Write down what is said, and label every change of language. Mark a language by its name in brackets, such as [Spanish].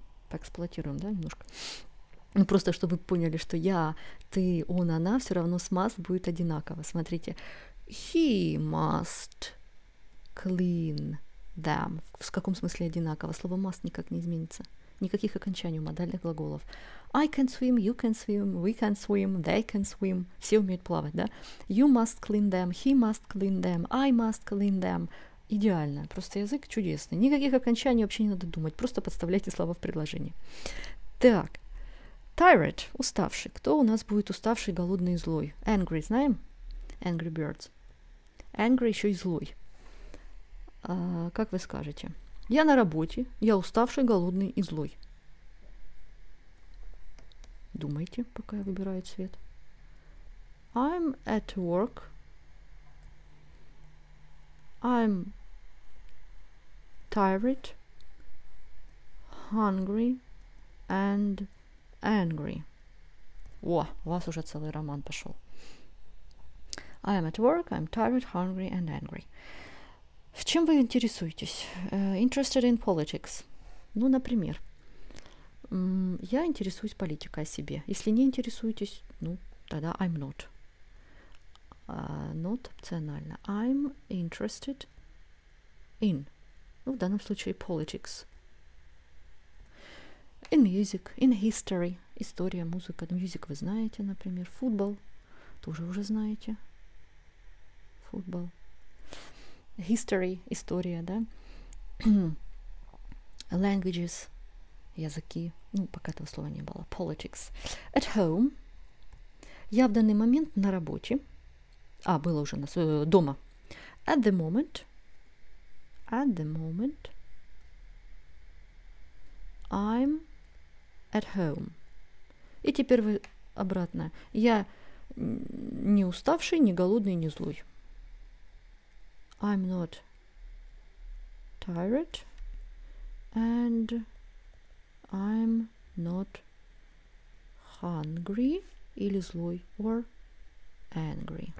[Russian] Поэксплуатируем, да, немножко? Ну, просто чтобы вы поняли, что я, ты, он, она, все равно смаз будет одинаково. Смотрите. [English] He must clean them. [Russian] В каком смысле одинаково? Слово must никак не изменится. Никаких окончаний у модальных глаголов. [English] I can swim, you can swim, we can swim, they can swim. [Russian] Все умеют плавать, да? [English] You must clean them, he must clean them, I must clean them. [Russian] Идеально. Просто язык чудесный. Никаких окончаний вообще не надо думать. Просто подставляйте слова в предложение. Так. Tired. Уставший. Кто у нас будет уставший, голодный и злой? Angry. Знаем? [English] Angry birds. [Russian] Angry еще и злой. А, как вы скажете? Я на работе, я уставший, голодный и злой. Думайте, пока я выбираю цвет. [English] I'm at work. I'm tired, hungry and angry. [Russian] О, у вас уже целый роман пошел. [English] I'm at work, I'm tired, hungry and angry. [Russian] В чем вы интересуетесь? [English] Interested in politics. [Russian] Ну, например, я интересуюсь политикой о себе. Если не интересуетесь, ну, тогда [English] I'm not. Not [Russian] опционально. [English] I'm interested in. [Russian] Ну, в данном случае politics. [English] In music, in history. [Russian] История, музыка. Music вы знаете, например. Футбол. Тоже уже знаете. Футбол. History, история, да? Languages, языки. Ну, пока этого слова не было. [English] Politics. At home. [Russian] Я в данный момент на работе. А, было уже дома. [English] At the moment. At the moment. I'm at home. [Russian] И теперь вы обратно. Я не уставший, не голодный, не злой. [English] I'm not tired and I'm not hungry [Russian] или злой [English] or angry.